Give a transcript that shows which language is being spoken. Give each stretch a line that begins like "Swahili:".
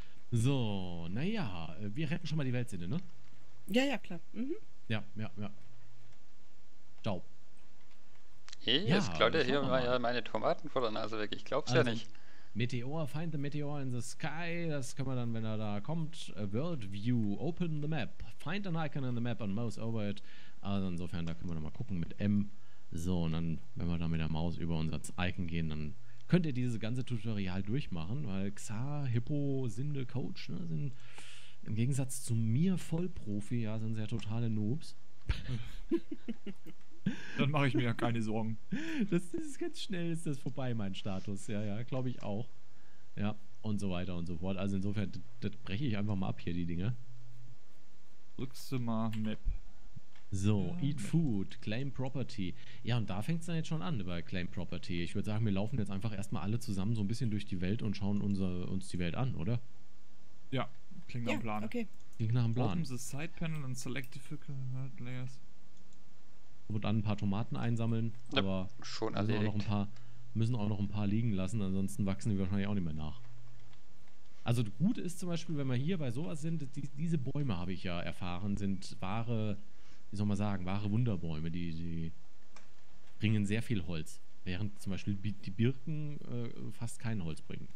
German: So, naja, wir retten schon mal die Welt, Sinde, ne? Ja, ja, klar. Ja. Ciao. Hey, jetzt klaut ihr hier mal meine Tomaten vor der Nase weg. Ich glaub's also ja nicht.
English: Meteor, find the meteor in the sky.
German: Das können wir dann, wenn er da kommt.
English: World View, open the map. Find an icon in the map and mouse over it.
German: Also insofern, da können wir nochmal gucken mit M. So, und dann, wenn wir da mit der Maus über unser Icon gehen, dann könnt ihr dieses ganze Tutorial durchmachen, weil Xa, Hippo, Sinde, Coach, ne, sind im Gegensatz zu mir Vollprofi, ja, sind sehr totale Noobs. Dann mache ich mir ja keine Sorgen. Das ist ganz schnell, ist das vorbei, mein Status. Ja, ja, glaube ich auch. Ja, und so weiter und so fort. Also insofern, das breche ich einfach mal ab hier, die Dinge. Drückst du mal Map.
English: So, ja, Eat Map. Food, Claim Property.
German: Ja, und da fängt es dann jetzt schon an bei Claim Property. Ich würde sagen, wir laufen jetzt einfach erstmal alle zusammen so ein bisschen durch die Welt und schauen uns die Welt an, oder? Ja, klingt nach dem Plan. Okay. Klingt nach dem Plan.
English: Open the side panel and select difficult layers.
German: Und dann ein paar Tomaten einsammeln, ja, aber schon müssen auch noch ein paar liegen lassen, ansonsten wachsen die wahrscheinlich auch nicht mehr nach. Also gut ist zum Beispiel, wenn wir hier bei sowas sind, diese Bäume, habe ich ja erfahren, sind wahre, wie soll man sagen, wahre Wunderbäume, die bringen sehr viel Holz, während zum Beispiel die Birken fast kein Holz bringen.